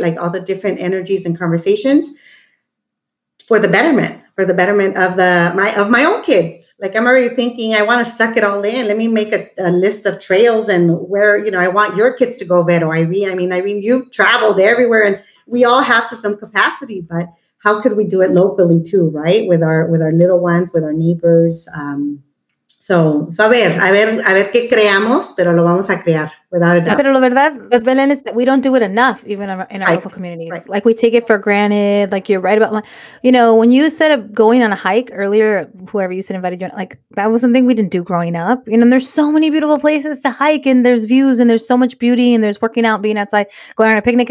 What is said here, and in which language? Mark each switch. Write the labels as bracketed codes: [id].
[en] Like all the different energies and conversations for the betterment of my own kids. Like I'm already thinking, I want to suck it all in. Let me make a list of trails and where, you know, I want your kids to go, Vero, Irene. I mean, you've traveled everywhere and we all have to some capacity, but how could we do it locally too, right? With our little ones, with our neighbors. [es] So a ver qué creamos, pero lo vamos a crear, [en] without a doubt. [es] Pero la verdad, [en] Belen, is that we don't do it enough, even in our local communities. Right. Like we take it for granted. Like you're right about, you know, when you said going on a hike earlier, whoever you said invited you, like that was something we didn't do growing up. You know, there's so many beautiful places to hike and there's views and there's so much beauty and there's working out, being outside, going on a picnic.